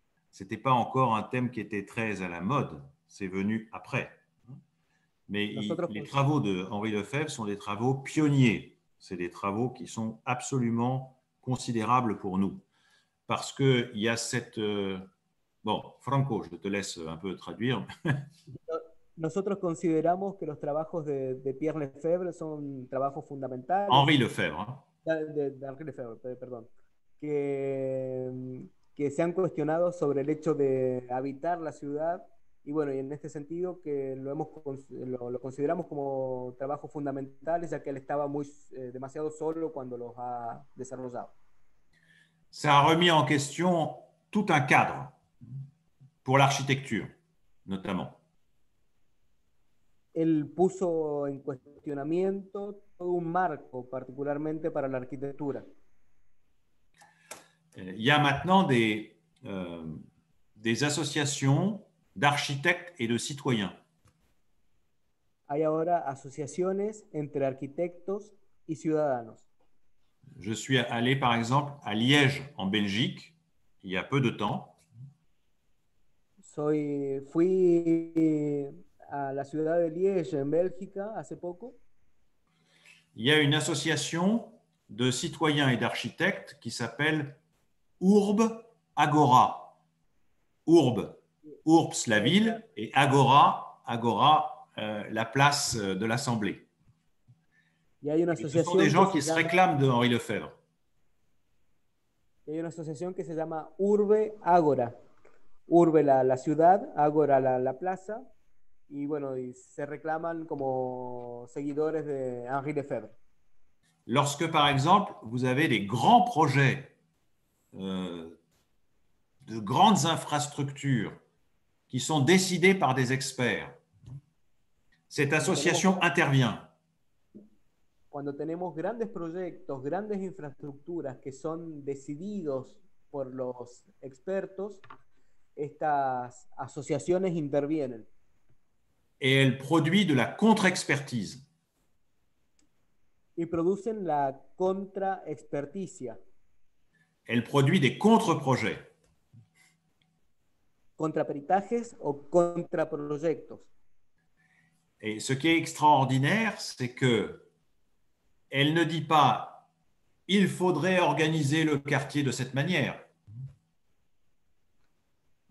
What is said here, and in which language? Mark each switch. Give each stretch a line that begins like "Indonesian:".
French: Ce n'était pas encore un thème qui était très à la mode, c'est venu après. Mais les travaux de Henri Lefebvre sont des travaux pionniers. C'est des travaux qui sont absolument considérables pour nous. Parce qu'il y a cette... Bon, Franco, je te laisse un peu traduire.
Spanish: Nosotros consideramos que los trabajos de Pierre Lefebvre son trabajos fundamentales. Henri Lefebvre. De Henri Lefebvre, perdón. Que se han cuestionado sobre el hecho de habitar la ciudad. Y bueno, y en este sentido que lo consideramos como trabajos fundamentales, ya que él estaba demasiado solo cuando los ha desarrollado.
French: Se ha remis en question tout un cadre. Pour l'architecture, notamment.
Spanish: Il puso en cuestionamiento todo un marco, particularmente para la arquitectura.
French: Il y a maintenant des associations d'architectes et de citoyens.
Spanish: Hay ahora asociaciones entre arquitectos y ciudadanos.
French: Je suis allé, par exemple, à Liège, en Belgique, il y a peu de temps.
Spanish: Fui à la ciudad de Liège, en Bélgica, hace poco.
French: Il y a une association de citoyens et d'architectes qui s'appelle Urb Agora. Urbs, la ville, et Agora, la place de l'Assemblée.
Spanish: Y hay una asociación,
French: ce sont des gens qui se réclament de Henri Lefebvre. Il y a une association qui
Spanish: se llama
French: Urb Agora.
Spanish: Urbe la ciudad, Agora la plaza, y bueno, y se reclaman como seguidores de Henri Lefebvre.
French: Lorsque, par exemple, vous avez des grands projets de grandes infrastructures qui sont décidées par des experts, cette association intervient.
Spanish: Cuando tenemos grandes proyectos, grandes infraestructuras que son decididos por los expertos, estas asociaciones intervienen.
French: Et elle produit de la contre-expertise.
Spanish: Y producen la contra-experticia.
French: Elle produit des contre-projets.
Spanish: Contraperitajes o contraproyectos.
French: Et ce qui est extraordinaire, c'est que elle ne dit pas « il faudrait organiser le quartier de cette manière ».